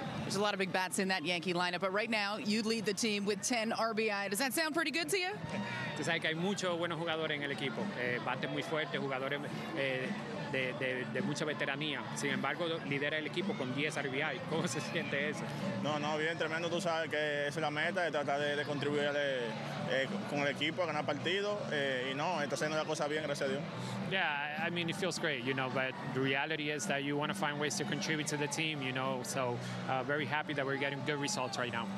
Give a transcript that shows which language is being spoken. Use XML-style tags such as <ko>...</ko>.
<en>There's a lot of big bats in that Yankee lineup, but right now you lead the team with 10 RBI. Does that sound pretty good to you?</en> <es>Tú sabes que hay muchos buenos jugadores en el equipo, bates muy fuertes, jugadores de mucha veteranía. Sin embargo, lidera el equipo con 10 RBI. ¿Cómo se siente eso? No, bien, tremendo. Tú sabes que esa es la meta, de tratar de contribuir con el equipo, a ganar partidos. Está haciendo la cosa bien, gracias a Dios.</es> <en>Yeah, I mean, it feels great, but the reality is that you want to find ways to contribute to the team, very happy that we're getting good results right now.</en>